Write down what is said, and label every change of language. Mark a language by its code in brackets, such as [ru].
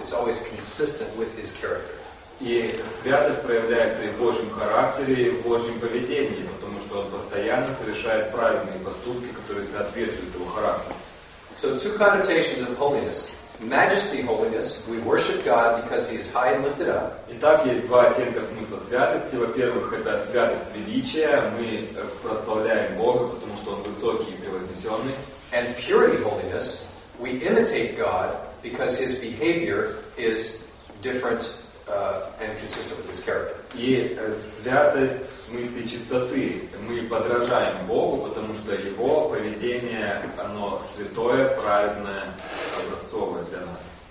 [en] It's always consistent with his character. [ru] И святость проявляется и в Божьем характере, и в Божьем поведении, потому что он постоянно совершает правильные поступки, которые соответствуют его характеру. [en] So two connotations of holiness. Majesty, holiness. We worship God because He is high and lifted up. [ru] Итак, есть два оттенка смысла святости. Во-первых, это святость величия. Мы прославляем Бога, потому что Он высокий и превознесенный. [en] And purity, holiness. We imitate God because His behavior is different and consistent with His character. [ru] И святость в смысле чистоты. Мы подражаем Богу, потому что Его поведение, оно святое, праведное, образцовое для нас.